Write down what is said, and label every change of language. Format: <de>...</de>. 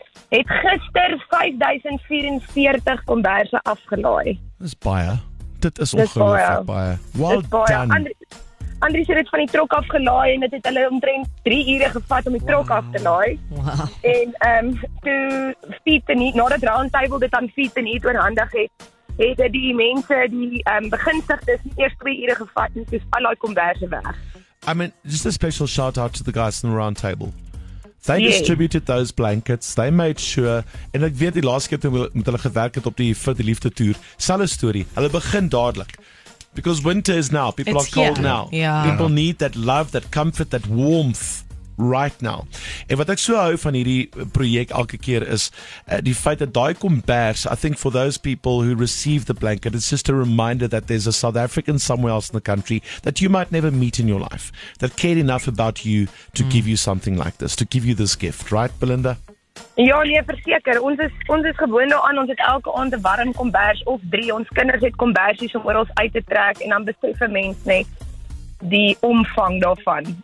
<af>het gister 5044 komberse afgelaai. Dis baie. Dit is ongelooflik baie. Well baie.</af> <en>Done.</en> <af>Andries het van die trok afgelaai en het hulle omtrent 3 ure gevat om die trok af te laai.</af> <en>Wow.</en> <af>En toe Fiet en Eat, nadat Roundtable dit aan Fiet en Eat oorhandig het, het dit die mense, die beginsigtes, die eerste 2 ure gevat en toe al die komberse weg.</af> <en>I mean, just a special shout out to the guys in the Roundtable. They distributed those blankets, they made sure,</en> <af>en ek weet die laatste keer toen met hulle gewerk het op die Vir die Liefde tour, selle story, hulle begin dadelijk,</af> <en>because winter is now, people it's are cold here. Now, yeah. People need that love, that comfort, that warmth right now.</en> <af>En wat ek so hou van hierdie project elke keer is, die feit dat die kombers,</af> <en>I think for those people who receive the blanket, it's just a reminder that there's a South African somewhere else in the country that you might never meet in your life, that cared enough about you to give you something like this, to give you this gift. Right, Belinda?</en> <af>Ja, nee, verseker. Ons is gewoon nou aan, ons het elke aand een warm kombers of 3. Ons kinders het kombersies om oor ons uit te trek en dan besef een mens net die omvang daarvan.</af>